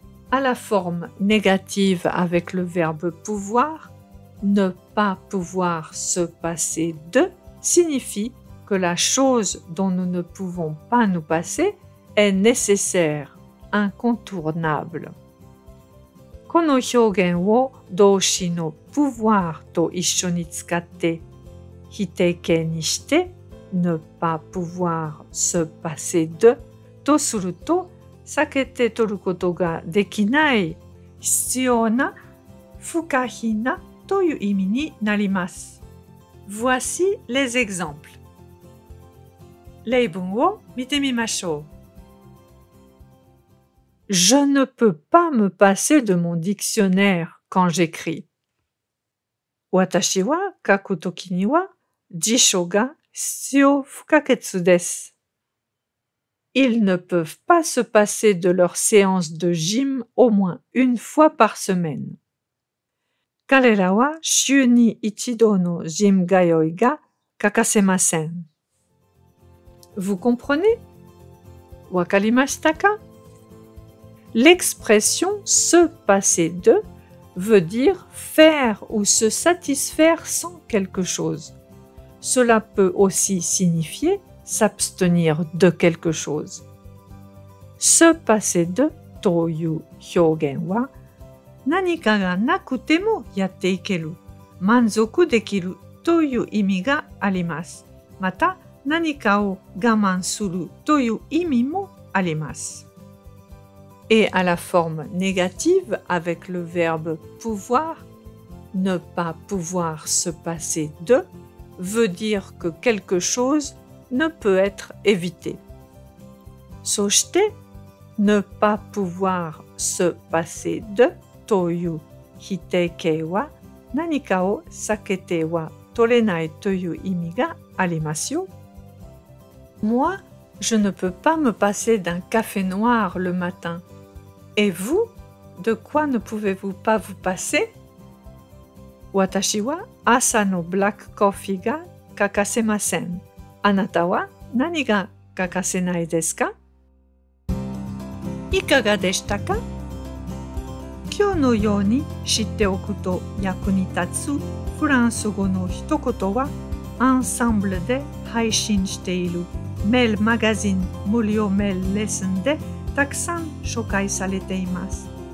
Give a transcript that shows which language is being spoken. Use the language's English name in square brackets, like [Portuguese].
[French] À la forme négative avec le verbe pouvoir, ne pas pouvoir se passer de signifie que la chose dont nous ne pouvons pas nous passer est nécessaire, incontournable. [Japanese] この表現を動詞の pouvoir と一緒に使って否定形にして [French] ne pas pouvoir se passer de [Japanese] とすると避けて取ることができない必要な不可避なという意味になります。 [French] Voici les exemples. [Japanese] 例文を見てみましょう。 [French] Je ne peux pas me passer de mon dictionnaire quand j'écris. [Japanese] 私は書くときには辞書が必要不可欠です。 [French] Ils ne peuvent pas se passer de leur séance de gym au moins une fois par semaine. [Japanese] 彼らは週に一度のジム通いが欠かせません。 [French] Vous comprenez? [Japanese] わかりましたか? [French] L'expression « se passer de » veut dire « faire ou se satisfaire sans quelque chose ». Cela peut aussi signifier « s'abstenir de quelque chose ».« Se passer de [Japanese] » という表現は何かがなくてもやっていける、満足できるという意味があります。また、何かを我慢するという意味もあります。 [French] Et à la forme négative avec le verbe pouvoir, ne pas pouvoir se passer de veut dire que quelque chose ne peut être évité. [Japanese] そして、 [French] ne pas pouvoir se passer de [Japanese] という否定形は何かを避けては取れないという意味がありますよ。 [French] Moi, je ne peux pas me passer d'un café noir le matin. Et vous, de quoi ne pouvez-vous pas vous passer? [Japanese] 私は朝のブラックコーヒーが欠かせません。あなたは何が欠かせないですか？いかがでしたか？今日のように知っておくと役に立つフランス語の一言は、アンサンブルで配信しているメールマガジン無料メールレッスンでたくさん紹介されています。